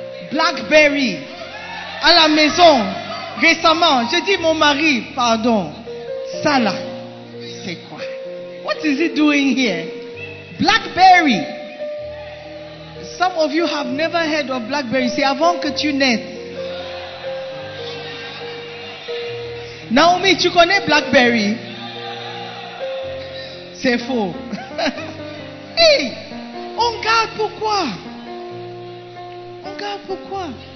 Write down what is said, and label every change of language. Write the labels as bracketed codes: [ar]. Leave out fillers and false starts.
[fr] Blackberry à la maison récemment. J'ai dit mon mari, pardon, ça là, c'est quoi? [en] What is it doing here? Blackberry. Some of you have never heard of Blackberry. [fr] C'est avant que tu naisses. Naomi, tu connais Blackberry? C'est faux. Hey, on garde pourquoi? Pourquoi?